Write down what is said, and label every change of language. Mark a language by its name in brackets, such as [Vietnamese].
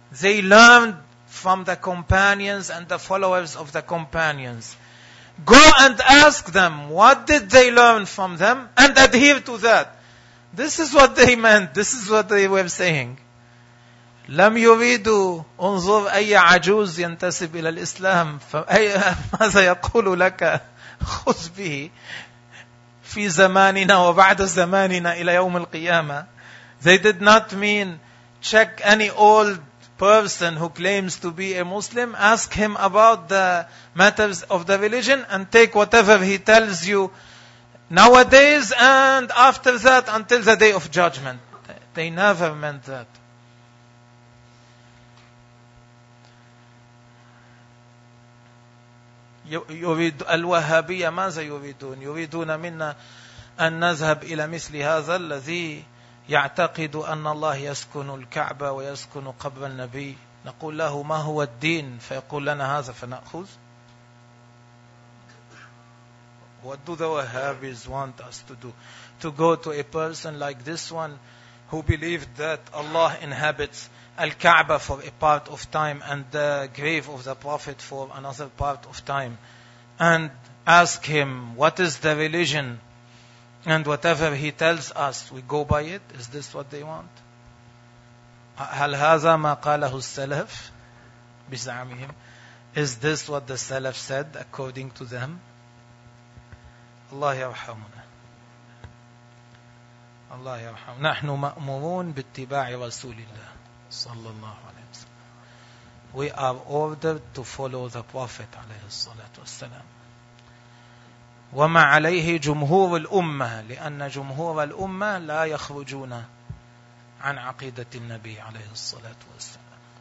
[English] They learned from the companions and the followers of the companions. Go and ask them, what did they learn from them? And adhere to that. This is what they meant. This is what they were saying. [Arabic] لم يريدوا انظر أي عجوز ينتسب إلى الإسلام فأي ماذا يقول لك خذ به في زماننا وبعد زماننا إلى يوم القيامة. [English] They did not mean check any old person who claims to be a Muslim, ask him about the matters of the religion and take whatever he tells you nowadays and after that until the day of judgment. They never meant that. [Arabic] يريد الوهابية ماذا يريدون؟ يريدون منا أن نذهب إلى مثل هذا الذي يعتقد أن الله يسكن الكعبة ويسكن قبر النبي. نقول له ما هو الدين فيقول لنا هذا فنأخذ. [English] What do the Wahhabis want us to do? To go to a person like this one who believed that Allah inhabits Al-Kaaba for a part of time and the grave of the Prophet for another part of time and ask him what is the religion? And whatever he tells us, we go by it. Is this what they want? [Arabic] هل هذا ما قاله السلف بزعمهم? [English] Is this what the Salaf said according to them? [Arabic] الله يرحمنا. الله يرحمنا. نحن مأمورون باتباع رسول الله صلى الله عليه وسلم. [English] We are ordered to follow the Prophet [Arabic] عليه الصلاة والسلام. وما عليه جمهور الأمة لأن جمهور الأمة لا يخرجون عن عقيدة النبي عليه الصلاة والسلام.